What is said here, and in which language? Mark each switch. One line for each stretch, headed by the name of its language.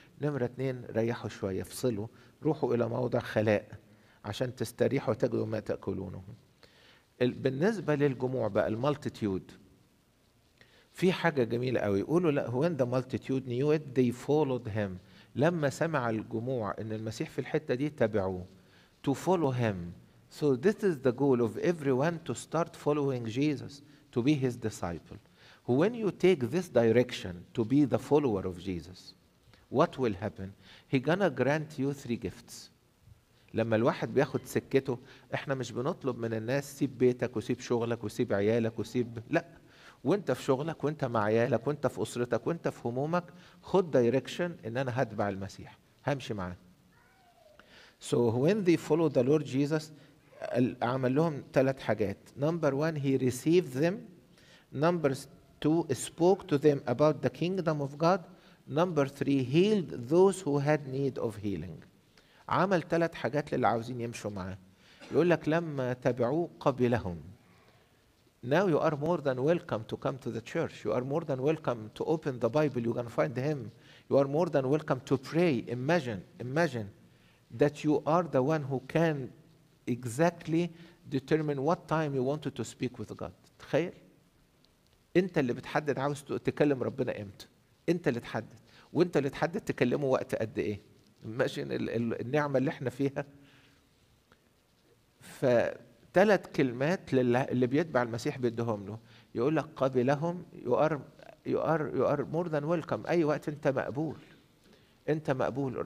Arabic: نمره اتنين، ريحوا شويه، افصلوا، روحوا الى موضع خلاء عشان تستريحوا وتجدوا ما تأكلونه. بالنسبة للجموع بقى المالتيتيود، في حاجة جميلة قوي يقولوا، لا
English: when the multitude knew it they followed him.
Arabic: لما سمع الجموع ان المسيح في الحتة دي تابعوه.
English: To follow him. So this is the goal of everyone, to start following Jesus, to be his disciple. When you take this direction to be the follower of Jesus, what will happen? He gonna grant you three gifts.
Arabic: لما الواحد بياخد سكته، احنا مش بنطلب من الناس سيب بيتك وسيب شغلك وسيب عيالك وسيب، لا، وانت في شغلك وانت مع عيالك وانت في اسرتك وانت في همومك، خد دايركشن ان انا هتبع المسيح، همشي معاه.
English: So when they follow the Lord Jesus
Arabic: عمل لهم ثلاث حاجات.
English: Number one, he received them. Number two, spoke to them about the kingdom of God. Number three, healed those who had need of healing.
Arabic: عمل ثلاث حاجات للي عاوزين يمشوا معاه. يقول لك لما تابعوه قبلهم.
English: Now you are more than welcome to come to the church. You are more than welcome to open the Bible. You can find him. You are more than welcome to pray. Imagine that you are the one who can exactly determine what time you wanted to speak with God.
Arabic: تخيل؟ أنت اللي بتحدد عاوز تكلم ربنا إمتى. أنت اللي تحدد. وأنت اللي تحدد تكلمه وقت قد إيه. ماشي النعمة اللي احنا فيها. فثلاث كلمات للي بيتبع المسيح بيدهم له، يقول لك قبلهم،
English: you are more than welcome,
Arabic: اي وقت انت مقبول، انت مقبول.